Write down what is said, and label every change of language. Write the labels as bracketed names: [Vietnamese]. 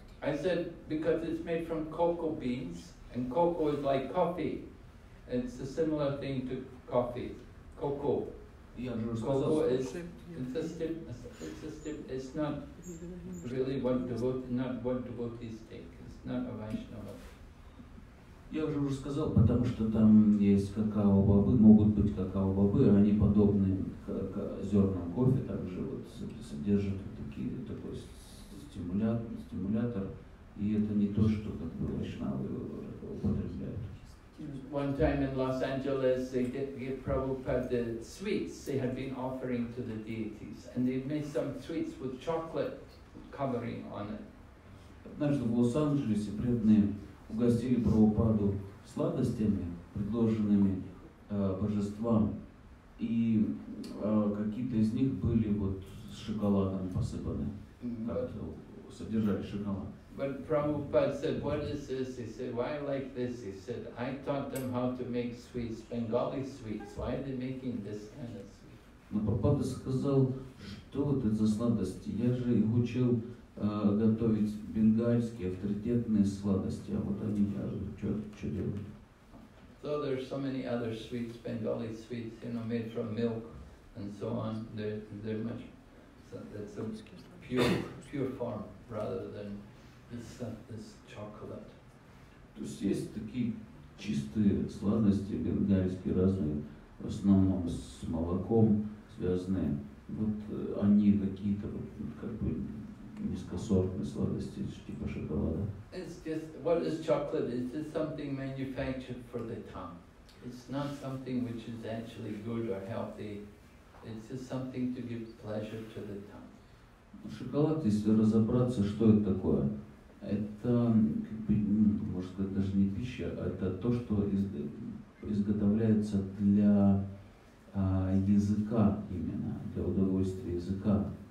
[English] I said because it's made from cocoa beans. And cocoa is like coffee. It's a similar thing to coffee. Cocoa. It's not really what devotees take. It's not a Vaishnava. [Russian] Я уже сказал, потому что там есть какао-бобы, могут быть какао-бобы, они подобны к зернам кофе, также вот содержат вот такие, такой стимулятор, и это не то, что как бы вайшнавы употребляют. [English] One time in Los Angeles, they gave Prabhupada the sweets they had been offering to the deities, and they made some sweets with chocolate covering on it. [Russian] Однажды в Лос-Анджелесе преданные угостили Прабхупаду сладостями, предложенными божествам, и какие-то из них были вот с шоколадом посыпаны, содержали шоколад. [English] But Prabhupada said, "What is this?" He said, "Why like this?" He said, "I taught them how to make sweets, Bengali sweets. Why are they making this kind of sweet?" [Russian] Но Прабхупада сказал, что это за сладости? Я же их учил готовить бенгальские авторитетные сладости, а вот они что делают? [English] So there's so many other sweets, Bengali sweets, you know, made from milk and so on. They're much. So that's a pure form rather than this chocolate. [Russian] То есть есть такие чистые сладости бенгальские разные, в основном с молоком связанные. Вот они какие-то как бы низкосортные сладости, типа шоколада. [English] It's just, what is chocolate? It's just something manufactured for the tongue. It's not something which is actually good or healthy. It's just something to give pleasure to the tongue. [Russian] Шоколад, если разобраться, что это такое? Это, как бы, можно сказать, даже не пища, а это то, что изготовляется для языка именно, для удовольствия языка.